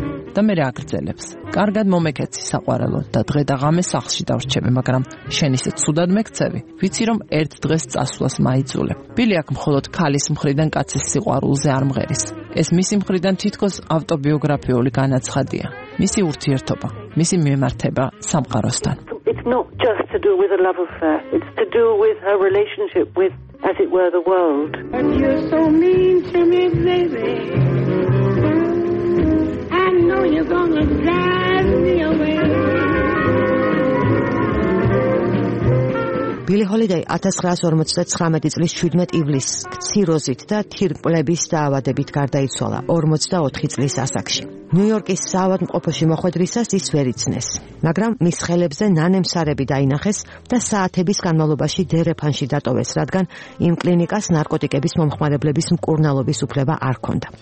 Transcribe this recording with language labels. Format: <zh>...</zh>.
<ka>და მე რაგრძელებს. კარგად მომეკეცი საყვარელო და დღე და ღამე სახლში დავრჩები, მაგრამ შენ ისე ცუდად მეკცევი. ვიცი რომ ერთ დღეს წასვლას მაიძულე. ბილი აქ მხოლოდ ქალის მხრიდან კაცის სიყვარულზე არ მღერის. ეს მისი მხრიდან თითქოს ავტობიოგრაფიული განაცხადია. მისი ურთიერთობა, მისი მიმართება სამყაროსთან.</ka> <en>It's not just to do with a love affair. It's to do with her relationship with, as it were, the world. And you're so mean to me, baby. I know you're gonna drive me away.</en> <ka>ბილი ჰოლიდეი 1959 წლის 17 ივლისს ქციროზით და თირკმლების დაავადებით გარდაიცვალა 44 წლის ასაკში. ნიუ-იორკის საავადმყოფოში მოხვედრისას ის ვერ იცნეს, მაგრამ მის ხელებზე ნანემსარები დაინახეს და საათების განმავლობაში დერეფანში დატოვეს, რადგან იმ კლინიკას ნარკოტიკების მომხმარებლების მკურნალობის უფლება არ ჰქონდა.</ka>